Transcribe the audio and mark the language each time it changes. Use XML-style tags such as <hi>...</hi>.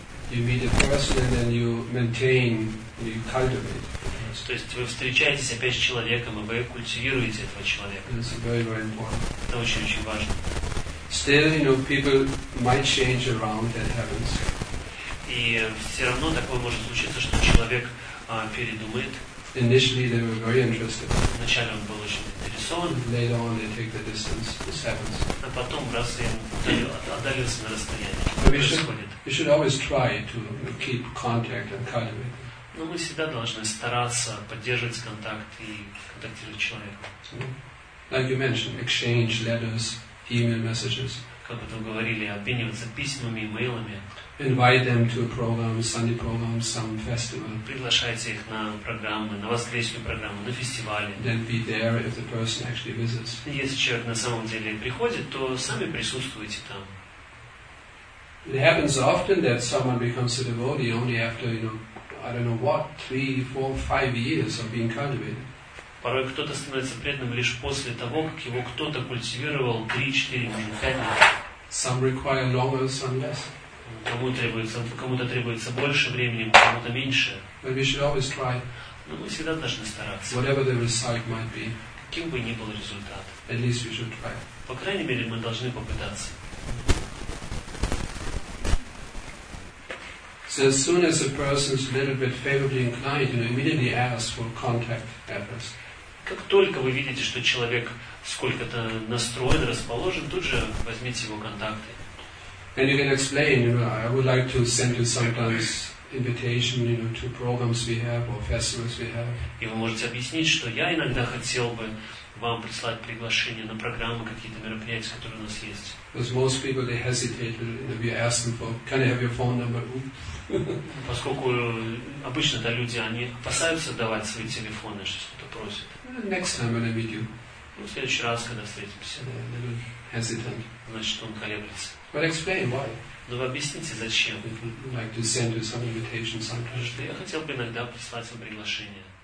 <en>You meet a person and then you maintain, you cultivate.</en> <ru>То есть вы встречаетесь опять с человеком, и вы культивируете этого человека.</ru> <en>It's very, very important.</en> <ru>Это очень-очень важно.</ru> <en>Still, you know, people might change around, that happens.</en> <ru>И все равно такое может случиться, что человек передумает.</ru> <en>Initially they were very interested.</en> <ru>Вначале он был очень заинтересован.</ru> <en>Later on they take the distance. This happens.</en> <ru>А потом раз и отдалился на расстояние.</ru> <en>You should always try to keep contact and cultivate.</en> <ru>Но мы всегда должны стараться поддерживать контакт и контактировать с человеком.</ru> <en>Like you mentioned, exchange letters, email messages.</en> <ru>Как вы говорили, обмениваться письмами, имейлами.</ru> <en>Invite them to a program, Sunday program, some festival.</en> <ru>Приглашайте их на программы, на воскресную программу, на фестивали.</ru> <en>Then be there if the person actually visits.</en> <ru>Если человек на самом деле приходит, то сами присутствуйте там.</ru> <en>It happens often that someone becomes a devotee only after, you know, I don't know what, 3, 4, 5 years of being cultivated.</en> <ru>Порой кто-то становится преданным лишь после того, как его кто-то культивировал 3, 4, 5 лет.</ru> <en>Some require longer, some less.</en> <ru>Кому-то требуется больше времени, кому-то меньше.</ru> <en>But we should always try.</en> <ru>Но мы всегда должны стараться.</ru> <en>Whatever the result might be.</en> <ru>Каким бы ни был результат.</ru> <en>At least we should try.</en> <ru>По крайней мере, мы должны попытаться.</ru> <en>So as soon as a person is a little bit favorably inclined, you immediately ask for contact efforts.</en> <ru>Как только вы видите, что человек сколько-то настроен, расположен, тут же возьмите его контакты.</ru> <en>And you can explain, you know, I would like to send you sometimes invitation, you know, to programs we have or festivals we have.</en> <ru>И вы можете объяснить, что я иногда хотел бы вам прислать приглашение на программы, какие-то мероприятия, которые у нас есть.</ru> <en>Because most people they hesitate if you ask them for, can I have your phone number?</en> <ru>Поскольку обычно люди они опасаются давать свои телефоны, если кто-то просит.</ru> <en>Next time when I meet you.</en> <ru>Ну, в следующий раз, когда встретимся.</ru> <en>Hesitant.</en> <ru>Значит, он колеблется.</ru> <en>But explain why.</en> <ru>Но вы объясните, зачем.</ru> <en>We would like to send you some invitation sometimes.</en> <ru>Что я хотел бы иногда прислать вам приглашение.</ru>